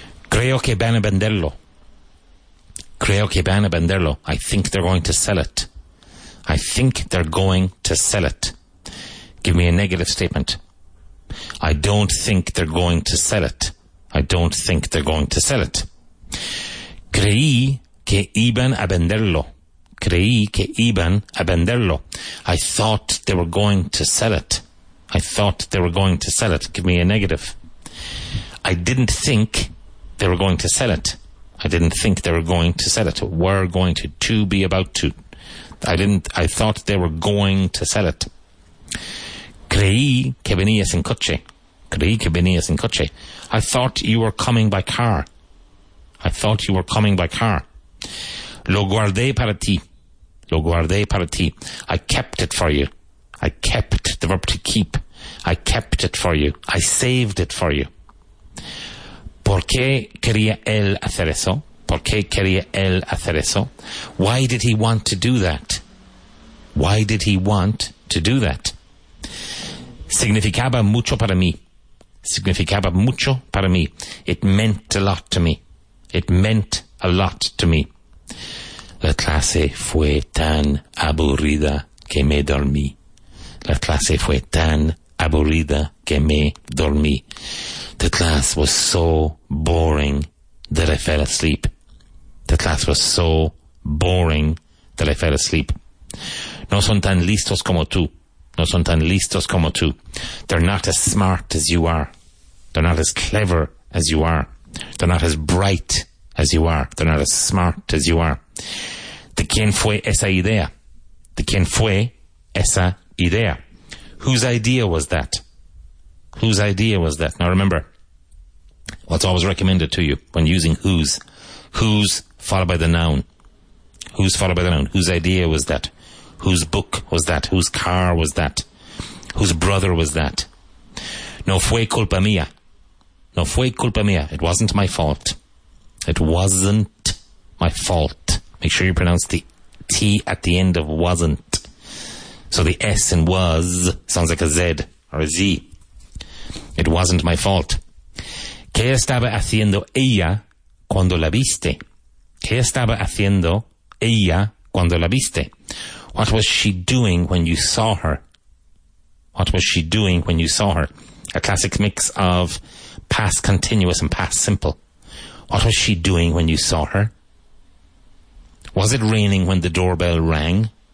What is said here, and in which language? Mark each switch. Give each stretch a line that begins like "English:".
Spanish: Creo que van a venderlo. Creo que van a venderlo.
English: I think they're going to sell it. I think they're going to sell it. Give me a negative statement. I don't think they're going to sell it. I don't think they're going to sell it.
Spanish: Creí que iban a venderlo. Creí que iban a venderlo.
English: I thought they were going to sell it. I thought they were going to sell it. Give me a negative. I didn't think they were going to sell it. I didn't think they were going to sell it. Were going to be about to. I didn't. I thought they were going to sell it.
Spanish: Creí que venías en coche. Creí que venías en coche.
English: I thought you were coming by car. I thought you were coming by car.
Spanish: Lo guardé para ti. Lo guardé para ti.
English: I kept it for you. I kept, the verb to keep. I kept it for you. I saved it for you.
Spanish: ¿Por qué quería él hacer eso? ¿Por qué quería él hacer eso?
English: Why did he want to do that? Why did he want to do that?
Spanish: Significaba mucho para mí. Significaba mucho para mí.
English: It meant a lot to me. It meant a lot to me.
Spanish: La clase fue tan aburrida que me dormí. La clase fue tan aburrida que me dormí.
English: The class was so boring that I fell asleep. The class was so boring that I fell asleep.
Spanish: No son tan listos como tú. No son tan listos como tú.
English: They're not as smart as you are. They're not as clever as you are. They're not as bright as you are. They're not as smart as you are.
Spanish: ¿De quién fue esa idea? ¿De quién fue esa idea?
English: Whose idea was that? Whose idea was that? Now remember, what's always recommended to you when using whose? Whose followed by the noun. Whose followed by the noun. Whose idea was that? Whose book was that? Whose car was that? Whose brother was that?
Spanish: No fue culpa mía. No fue culpa mía.
English: It wasn't my fault. It wasn't my fault. Make sure you pronounce the T at the end of wasn't. So the S in was sounds like a Z or a Z. It wasn't my fault.
Spanish: ¿Qué estaba haciendo ella cuando la viste? ¿Qué estaba haciendo ella cuando la viste?
English: What was she doing when you saw her? What was she doing when you saw her? A classic mix of past continuous and past simple. What was she doing when you saw her? Was it raining when the doorbell rang?